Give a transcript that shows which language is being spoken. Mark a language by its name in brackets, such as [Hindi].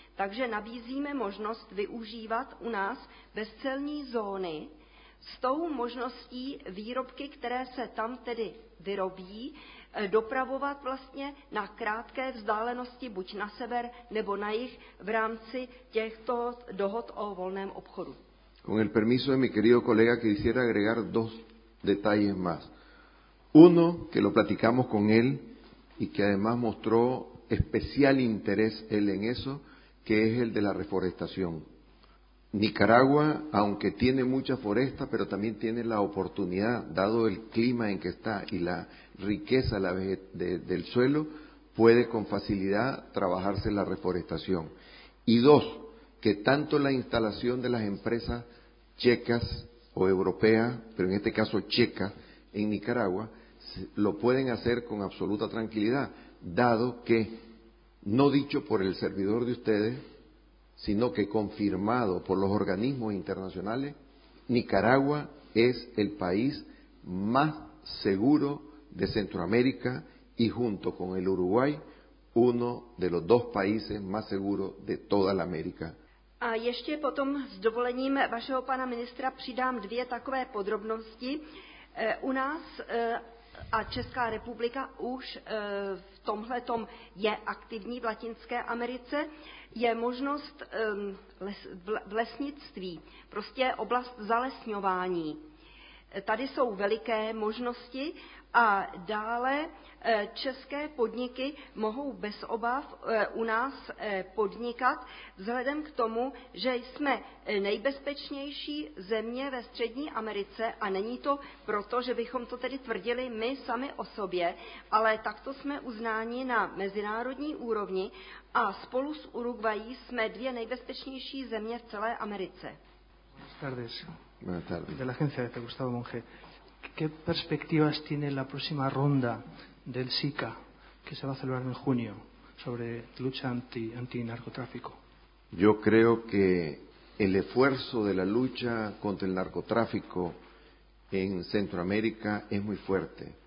[Czech] Takže nabízíme možnost využívat u nás bezcelní zóny s tou možností výrobky, které se tam tedy vyrobí, dopravovat vlastně na krátké vzdálenosti buď na sever nebo na jih v rámci těchto dohod o volném obchodu. [Spanish] Con el permiso de mi querido colega, quisiera agregar dos detalles más. Uno, que lo platicamos con él y que además mostró especial interés él en eso, que es el de la reforestación. Nicaragua, aunque tiene mucha foresta, pero también tiene la oportunidad, dado el clima en que está y la riqueza del suelo, puede con facilidad trabajarse la reforestación. Y dos, que tanto la instalación de las empresas checas o europeas, pero en este caso checa, en Nicaragua, lo pueden hacer con absoluta tranquilidad, dado que, no dicho por el servidor de ustedes, sino que confirmado por los organismos internacionales, Nicaragua es el país más seguro de Centroamérica y junto con el Uruguay, uno de los dos países más seguros de toda la América. [Czech] A ještě potom s dovolením vašeho pana ministra přidám dvě takové podrobnosti. U nás a Česká republika už v tomhletom je aktivní v Latinské Americe, je možnost v lesnictví, prostě oblast zalesňování. Tady jsou veliké možnosti a dále české podniky mohou bez obav u nás podnikat vzhledem k tomu, že jsme nejbezpečnější země ve Střední Americe a není to proto, že bychom to tedy tvrdili my sami o sobě, ale takto jsme uznáni na mezinárodní úrovni a spolu s Uruguayí jsme dvě nejbezpečnější země v celé Americe. [Spanish] Buenas tardes. De la agencia de Gustavo Monge. ¿Qué perspectivas tiene la próxima ronda del SICA que se va a celebrar en junio sobre lucha antinarcotráfico? Yo creo que el esfuerzo de la lucha contra el narcotráfico en Centroamérica es muy fuerte.